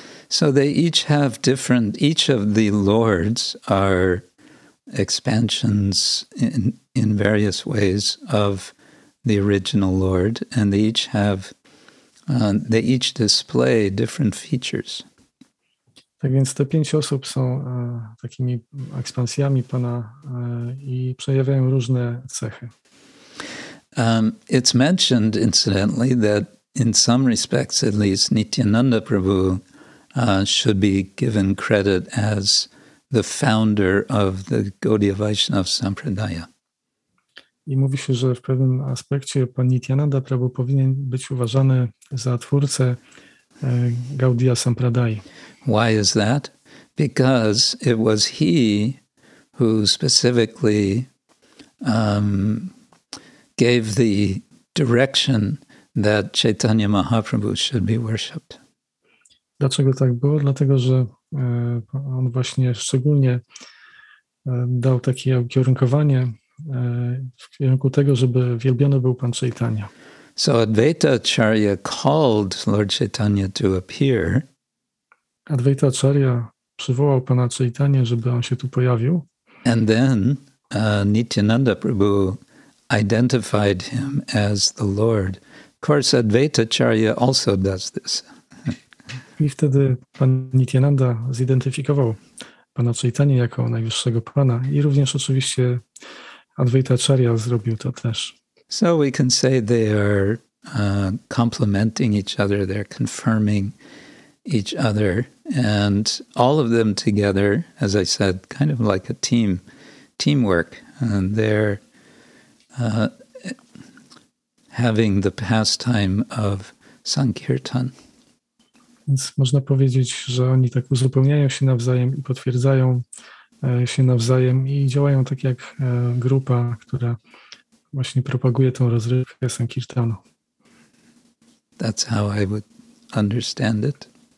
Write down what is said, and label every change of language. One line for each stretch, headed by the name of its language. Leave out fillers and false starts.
English: So they each have different, each of the lords are expansions in various ways of the original lord, and they each have They each display different features.
Polish: Tak więc te pięć osób są takimi ekspansjami Pana i przejawiają różne cechy.
English: It's mentioned, incidentally, that in some respects, at least, Nityananda Prabhu should be given credit as the founder of the Gaudiya Vaishnav Sampradaya.
Polish: I mówi się, że w pewnym aspekcie Pan Nityananda Prabhu powinien być uważany za twórcę Gaudiya Sampradaya.
English: Why is that? Because it was he who specifically gave the direction that Chaitanya Mahaprabhu should be worshipped.
Polish: Dlaczego tak było? Dlatego, że on właśnie szczególnie dał takie ukierunkowanie w kierunku tego, żeby wielbiony był Pan Chaitanya.
English: So Advaita Acharya called Lord Chaitanya to appear.
Polish: Advaita Acharya przywołał Pana Chaitanya, żeby on się tu pojawił.
English: And then Nityananda Prabhu identified him as the Lord. Of course, Advaita Acharya also does this.
Polish: I wtedy Pan Nityananda zidentyfikował Pana Chaitanya jako najwyższego Pana i również oczywiście Advaita Acharya zrobił to też.
English: So we can say they are complementing each other, they're confirming each other, and all of them together, as I said, kind of like a teamwork, and they're having the pastime of Sankirtan.
Polish: Więc można powiedzieć, że oni tak uzupełniają się nawzajem i potwierdzają się nawzajem i działają tak jak grupa, która właśnie propaguje tą rozrywkę Sankirtanu.
English: That's how I would understand it.